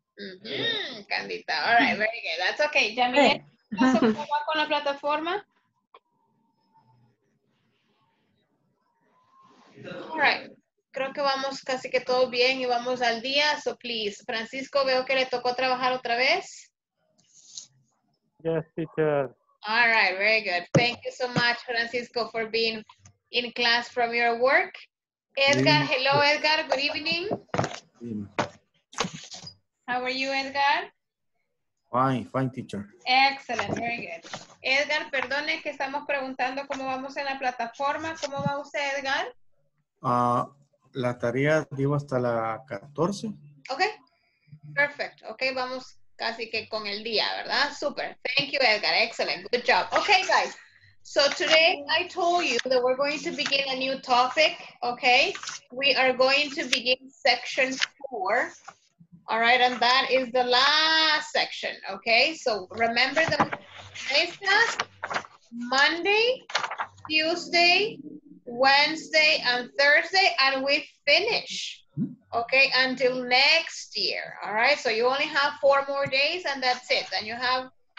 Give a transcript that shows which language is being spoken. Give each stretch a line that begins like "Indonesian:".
English: Mm-hmm, Candita. All right, very good. That's okay. Yamilet,
Spanish: ¿cómo va con la plataforma?
English: All right.
Spanish: Creo que vamos casi que todo bien y vamos al día.
English: So, please.
Spanish: Francisco, veo que le tocó trabajar otra vez.
English: Yes, teacher. All right, very good. Thank you so much, Francisco, for being in class from your work. Edgar, hello, Edgar. Good evening. How are you, Edgar? Fine, teacher. Excellent, very good.
Spanish: Edgar, perdone que estamos preguntando cómo vamos en la plataforma. ¿Cómo va usted, Edgar? La tarea llevo hasta la 14.
English: Ok, perfect.
Spanish: Ok, vamos casi que con el día, ¿verdad?
English: Super. Thank you, Edgar. Excellent, good job. Ok, guys. So today I told you that we're going to begin a new topic, okay? We are going to begin section 4, all right? And that is the last section, okay? So remember that today's class, Monday, Tuesday, Wednesday, and Thursday, and we finish, okay, until next year, all right? So you only have 4 more days, and that's it. And you have